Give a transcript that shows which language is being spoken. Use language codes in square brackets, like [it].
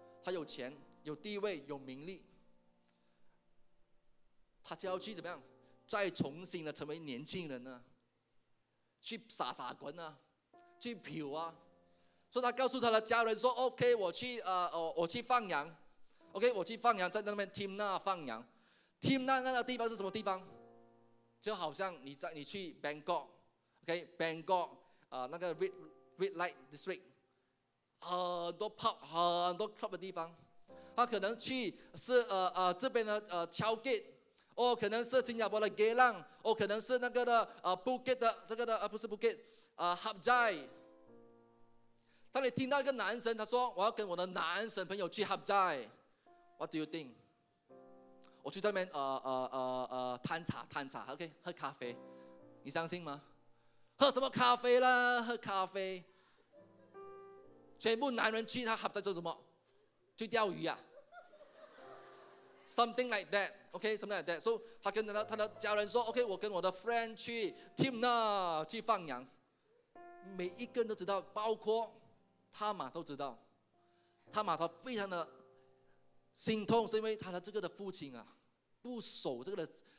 [zh] 他有钱有地位有名利，他就要去怎么样再重新的成为年轻人呢？去傻傻滚啊，去嫖啊。所以他告诉他的家人说 OK， 我去放羊 OK， 我去放羊，在那边 Timna 放羊。 Timna 那个地方是什么地方？就好像 你去 Bangkok OK， Bangkok 那个 Red Light District， 很多 pub 很多 club 的地方。他可能去是这边的敲 gate，哦，可能是新加坡的 Geylang， 哦，可能是那个的Phuket 的这个的不是 Phuket， Hap Jai。当你听到一个男生他说我要跟我的男生朋友去 Hap Jai， [en] What do you think？ [zh] 我去那边摊茶摊茶 OK， 喝咖啡，你相信吗？喝什么咖啡啦，喝咖啡，全部男人去他 Hap Jai 做什么？去钓鱼啊。 [en] Something like that, OK, something like that. [zh] So 他跟他的家人说 OK， 我跟我的 friend 去 Timna 去放羊。每一个人都知道，包括他妈都知道，他妈他非常的心痛，是因为他的这个的父亲啊不守这个的